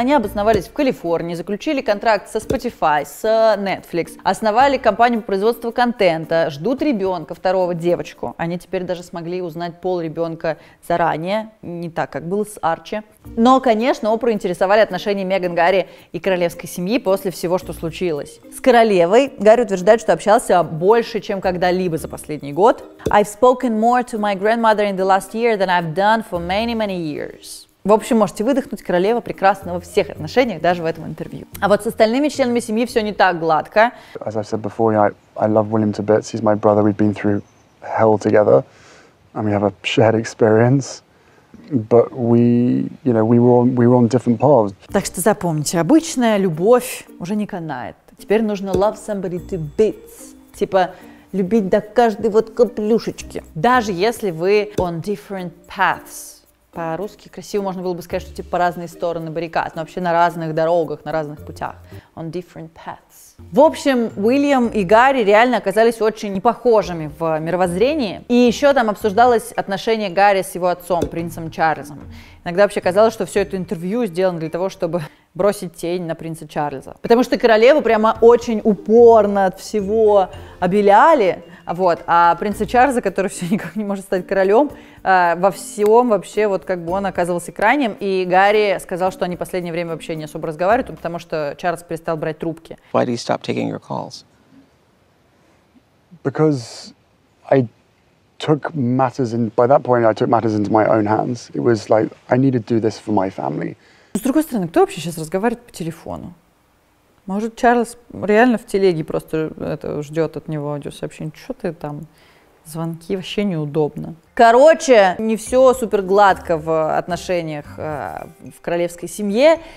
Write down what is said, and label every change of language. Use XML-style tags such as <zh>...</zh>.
<ru>Они обосновались в Калифорнии, заключили контракт со Spotify, с Netflix, основали компанию по производству контента, ждут ребенка, второго, девочку. Они теперь даже смогли узнать пол ребенка заранее, не так, как было с Арчи. Но, конечно, Опру интересовали отношения Меган Гарри и королевской семьи после всего, что случилось. С королевой Гарри утверждает, что общался больше, чем когда-либо за последний год.</ru> <en>I've spoken more to my grandmother in the last year than I've done for many, many years.</en> <ru>В общем, можете выдохнуть, королева прекрасна во всех отношениях, даже в этом интервью. А вот с остальными членами семьи все не так гладко.</ru> <en>As I've said before, you know, I love William to bits. He's my brother. We've been through hell together, and we have a shared experience. But we, you know, we were on different paths.</en> <ru>Так что запомните, обычная любовь уже не канает. Теперь нужно</ru> <en>love somebody to bits,</en> <ru>типа любить до каждой вот каплюшечки, даже если вы</ru> <en>on different paths.</en> <ru>По-русски красиво можно было бы сказать, что типа по разные стороны баррикад, но вообще на разных дорогах, на разных путях.</ru> <en>On different paths.</en> <ru>В общем, Уильям и Гарри реально оказались очень непохожими в мировоззрении. И еще там обсуждалось отношение Гарри с его отцом, принцем Чарльзом. Иногда вообще казалось, что все это интервью сделано для того, чтобы бросить тень на принца Чарльза. Потому что королеву прямо очень упорно от всего обеляли. Вот, а принца Чарльза, который все никак не может стать королем, во всем вообще вот как бы он оказывался крайним. И Гарри сказал, что они последнее время вообще не особо разговаривают, потому что Чарльз перестал брать трубки.</ru> <en>Why do you stop taking your calls? Because I took matters in, by that point I took matters into my own hands. It was like I needed to do this for my family.</en> <ru>С другой стороны, кто вообще сейчас разговаривает по телефону? Может, Чарльз реально в телеге просто это ждет от него аудиосообщение. Че ты там? Звонки вообще неудобно. Короче, не все супер гладко в отношениях в королевской семье.</ru>